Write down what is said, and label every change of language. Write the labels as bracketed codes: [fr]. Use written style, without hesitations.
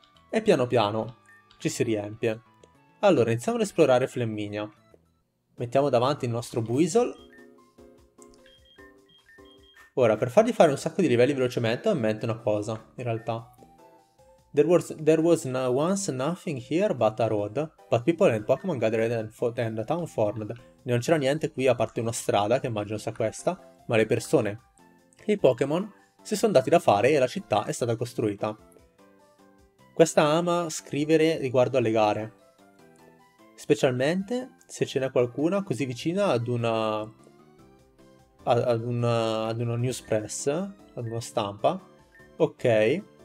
[it] E piano piano ci si riempie. Allora, iniziamo ad esplorare Flamminia. Mettiamo davanti il nostro Buizel. Ora, per fargli fare un sacco di livelli velocemente, ho in mente una cosa, in realtà. Dovremmo [en] There was once nothing here but a road, but people and Pokémon gathered and the town formed. [it] Non c'era niente qui a parte una strada, che immagino sia questa, ma le persone. I Pokémon si sono dati da fare e la città è stata costruita. Questa ama scrivere riguardo alle gare. Specialmente se ce n'è qualcuna così vicina ad una news press, ad una stampa. Ok.